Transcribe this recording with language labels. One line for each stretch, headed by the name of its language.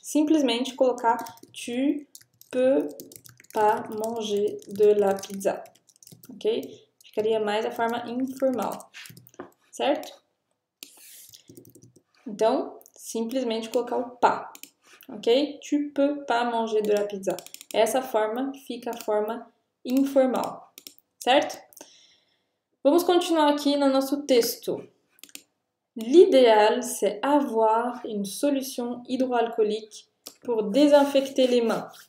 Portuguese: Simplesmente colocar
French: tu peux pas manger de la pizza. Ok?
Portuguese: Ficaria mais a forma informal. Certo? Então, simplesmente colocar o pas. Ok?
French: Tu peux pas manger de la pizza.
Portuguese: Essa forma fica a forma informal. Certo? Vamos continuar aqui no nosso texto.
French: L'idéal, c'est avoir une solution hydroalcoolique pour désinfecter les mains.